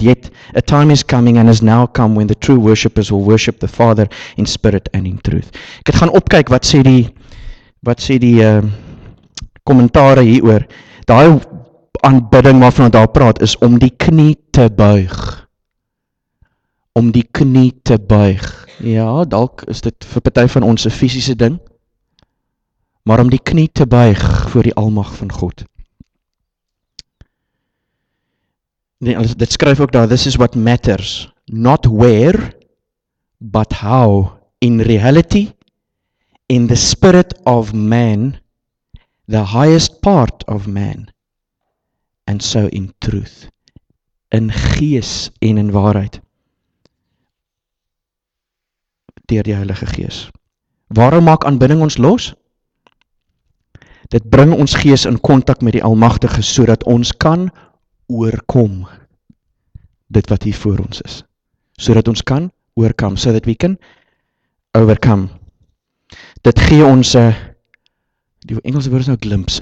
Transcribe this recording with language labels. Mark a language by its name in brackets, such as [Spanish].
[English] Yet a time is coming and has now come when the true worshippers will worship the Father in spirit and in truth. [Afrikaans] Ek het gaan opkyk wat sê die kommentare hieroor. Daai aanbidding waarvan daar praat is om die knie te buig. Om die knie te buig. Ja, dalk is dit vir party van ons 'n fisiese ding. Maar om die knie te buig voor die almag van God. Nee, dit skryf ook daar, [English] this is what matters, not where, but how, in reality, in the spirit of man, the highest part of man, and so in truth, [Afrikaans] in gees en in waarheid, deur die Heilige Gees. Waarom maak aanbidding ons los? Dit bring ons gees in kontak met die Almagtige, sodat ons kan oorkom. Dit wat hier voor ons is. So dat ons kan oorkom. [English] So that we can overcome. [Afrikaans] Dit gee ons die Engelse woord is nou glimpse.